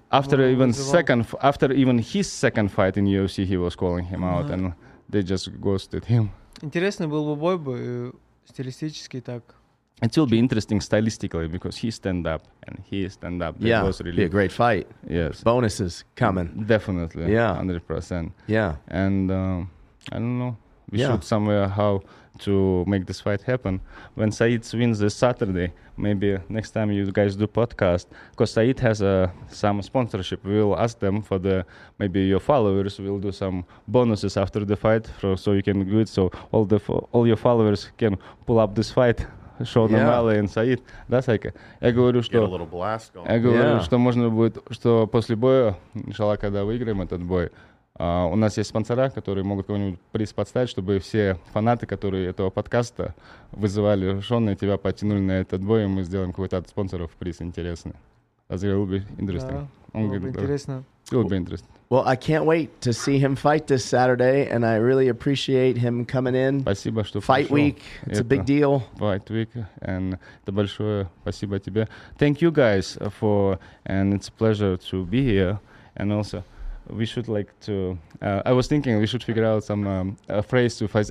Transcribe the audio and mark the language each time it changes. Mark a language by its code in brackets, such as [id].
[en] After even his second fight in UFC, he was calling him out, and they just ghosted him. [ru] Интересный был бы бой, стилистически так. [en] It will be interesting stylistically because he stand up. That was really be a great fight. Yes. Bonuses coming. Definitely. Yeah. 100%. Yeah. And I don't know. We should somewhere how to make this fight happen. When Said wins this Saturday, maybe next time you guys do podcast, because Said has some sponsorship. We'll ask them for the, maybe your followers will do some bonuses after the fight so you can do it. So all your followers can pull up this fight. [ru] Шоу Намале и Саид, да, Сайка? Я говорю, что что можно будет, что после боя, иншалла, когда выиграем этот бой, у нас есть спонсора, которые могут кого-нибудь приз подставить, чтобы все фанаты, которые этого подкаста вызывали Шона, и тебя подтянули на этот бой, и мы сделаем какой-то от спонсоров приз интересный. [en] That's going to be interesting. [ru] Yeah, он говорит, интересно. [en] It would be interesting. Well, I can't wait to see him fight this Saturday, and I really appreciate him coming in. [ru] Спасибо, что [en] fight [ru] пришел. [en] Week. It's a big deal. Fight week, and [ru] это большое спасибо тебе. [en] Thank you guys for, and it's a pleasure to be here. And also, we should like to. I was thinking we should figure out some a phrase to fight.